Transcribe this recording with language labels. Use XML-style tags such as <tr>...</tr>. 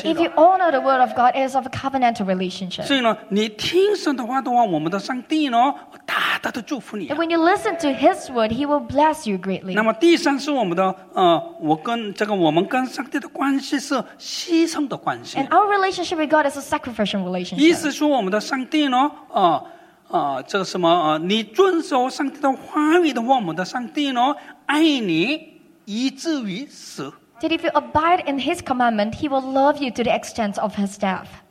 <en>But if you honor the word of God, it is of a covenantal relationship.</en> <zh>所以呢，你听神的话的话，我们的上帝呢，大大的祝福你。And</zh> <en>when you listen to His word, He will bless you greatly.</en> <zh>那么第三是我们的，我跟这个我们跟上帝的关系是牺牲的关系。And</zh> <en>our relationship with God is a sacrificial relationship.</en> <zh>意思说我们的上帝呢，这个什么，你遵守上帝的话语的话，我们的上帝呢，爱你以至于死。That</zh> <en>if you abide in His commandment, He will love you to the extent of His death.</en>